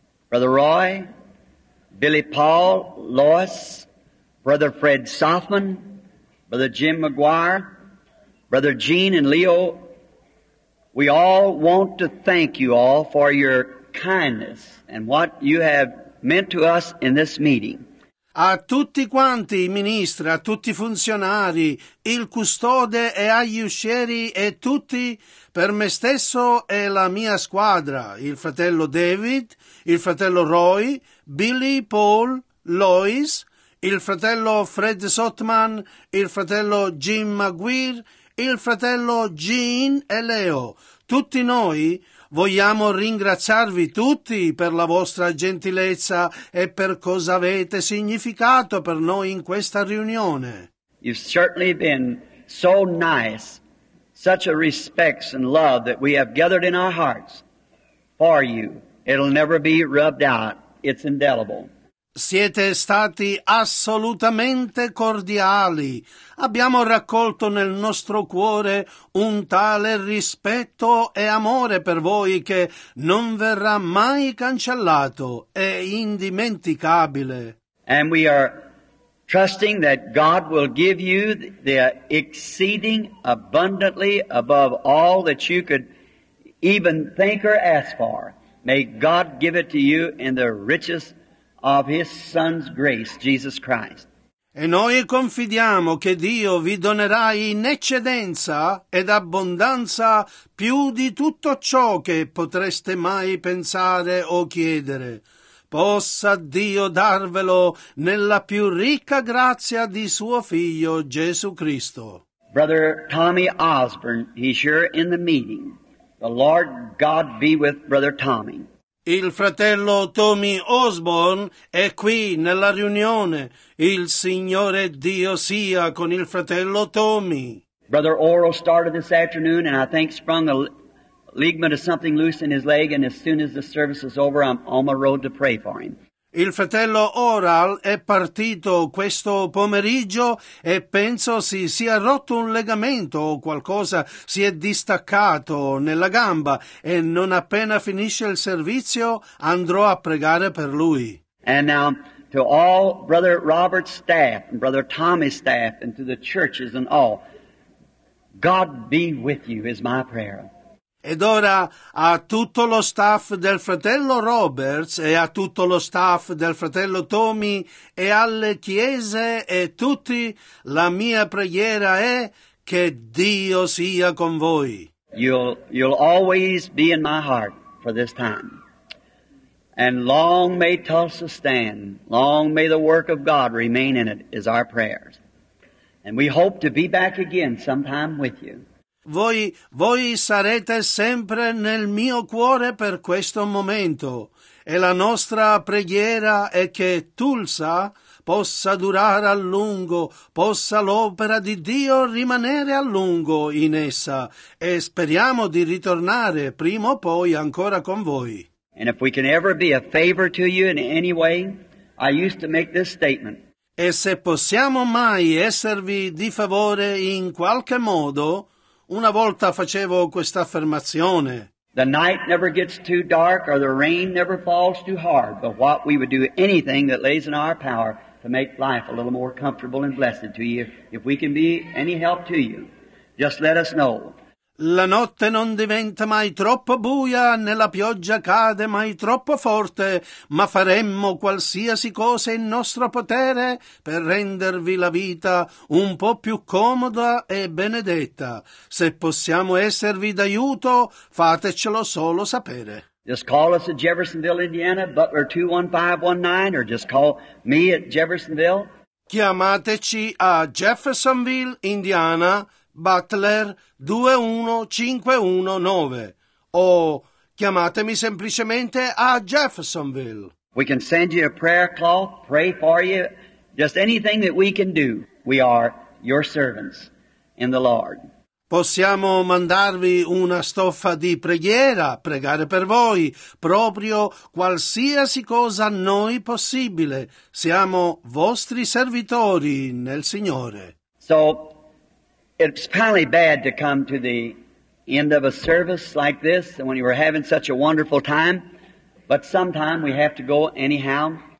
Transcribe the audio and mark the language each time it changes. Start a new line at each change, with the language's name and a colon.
English: Brother Roy, Billy Paul, Lois, Brother Fred Softman, Brother Jim McGuire, Brother Gene and Leo, we all want to thank you all for your kindness and what you have meant to us in this meeting.
Italian: A tutti quanti i ministri, a tutti i funzionari, il custode e agli uscieri e tutti, per me stesso e la mia squadra, il fratello David, il fratello Roy, Billy, Paul, Lois, il fratello Fred Sotman, il fratello Jim McGuire, il fratello Gene e Leo, tutti noi vogliamo ringraziarvi tutti per la vostra gentilezza e per cosa avete significato per noi in questa riunione.
English: You've certainly been so nice, such a respect and love that we have gathered in our hearts for you. It'll never be rubbed out. It's indelible.
Italian: Siete stati assolutamente cordiali. Abbiamo raccolto nel nostro cuore un tale rispetto e amore per voi che non verrà mai cancellato. È indimenticabile.
English: And we are trusting that God will give you the exceeding abundantly above all that you could even think or ask for. May God give it to you in the richest of His Son's grace, Jesus Christ.
Italian: E noi confidiamo che Dio vi donerà in eccedenza ed abbondanza più di tutto ciò che potreste mai pensare o chiedere. Possa Dio darvelo nella più ricca grazia di Suo Figlio, Gesù Cristo.
English: Brother Tommy Osborne, he's here in the meeting. The Lord God be with Brother Tommy.
Italian: Il fratello Tommy Osborne è qui nella riunione. Il Signore Dio sia con il fratello Tommy.
English: Brother Oral started this afternoon and I think sprung a ligament of something loose in his leg, and as soon as the service is over, I'm on my road to pray for him.
Italian: Il fratello Oral è partito questo pomeriggio e penso si sia rotto un legamento o qualcosa, si è distaccato nella gamba e non appena finisce il servizio andrò a pregare per lui.
English: And now to all Brother Robert's staff and Brother Tommy's staff and to the churches and all, God be with you is my prayer.
Italian: Ed ora a tutto lo staff del fratello Roberts e a tutto lo staff del fratello Tommy e alle chiese e tutti, la mia preghiera è che Dio sia con voi.
English: You'll always be in my heart for this time. And long may Tulsa stand, long may the work of God remain in it, is our prayers. And we hope to be back again sometime with you.
Italian: Voi sarete sempre nel mio cuore per questo momento e la nostra preghiera è che Tulsa possa durare a lungo, possa l'opera di Dio rimanere a lungo in essa e speriamo di ritornare prima o poi ancora con voi.
English: And if we can ever be a favor to you in any way, I used to make this statement.
Italian: E se possiamo mai esservi di favore in qualche modo, una volta facevo questa affermazione.
English: The night never gets too dark or the rain never falls too hard, but what we would do anything that lays in our power to make life a little more comfortable and blessed to you. If we can be any help to you, just let us know.
Italian: La notte non diventa mai troppo buia, né la pioggia cade mai troppo forte, ma faremmo qualsiasi cosa in nostro potere per rendervi la vita un po' più comoda e benedetta. Se possiamo esservi d'aiuto, fatecelo solo sapere.
English: Just call us at Jeffersonville, Indiana, Butler 21519, or just call me at Jeffersonville.
Italian: Chiamateci a Jeffersonville, Indiana, Butler 21519 o chiamatemi semplicemente a Jeffersonville.
English: We can send you a prayer cloth, pray for you, just anything that we can do. We are your servants in the Lord.
Italian: Possiamo mandarvi una stoffa di preghiera, pregare per voi, proprio qualsiasi cosa a noi possibile. Siamo vostri servitori nel Signore.
English: So it's probably bad to come to the end of a service like this and when you were having such a wonderful time, but sometime we have to go anyhow.